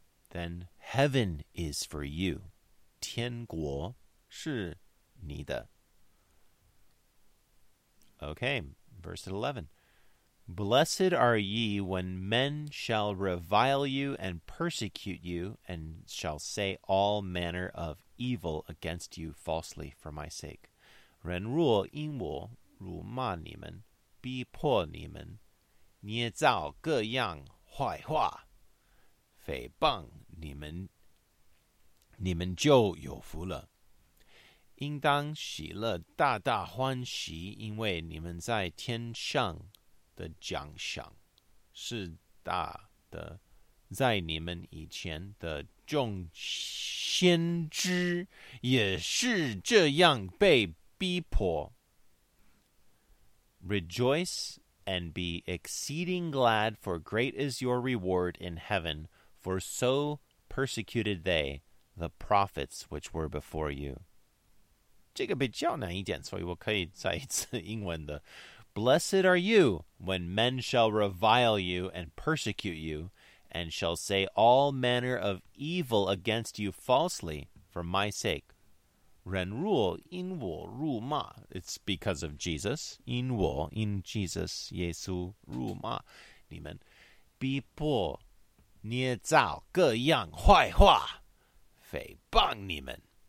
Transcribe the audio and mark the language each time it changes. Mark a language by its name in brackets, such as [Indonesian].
[English] Then heaven is for you. [Chinese] 天国是你的。 [English] Okay, verse 11. Blessed are ye when men shall revile you and persecute you and shall say all manner of evil against you falsely for my sake. [Chinese] 人若因我辱骂你们，逼迫你们，捏造各样坏话，诽谤你们你们就有福了。应当喜乐，大大欢喜，因为你们在天上的奖赏是大的。在你们以前的众先知也是这样被逼迫。 [English] Rejoice and be exceeding glad, for great is your reward in heaven, for so persecuted they the prophets which were before you. [Chinese] 这个比较难一点，所以我可以再一次英文的。 [English] Blessed are you when men shall revile you and persecute you, and shall say all manner of evil against you falsely for my sake. [Chinese] 人若因我辱骂 [English] It's because of Jesus. [Chinese] 因我 [English] in Jesus, [Chinese] 耶稣辱骂你们逼迫捏造各样坏话诽谤你们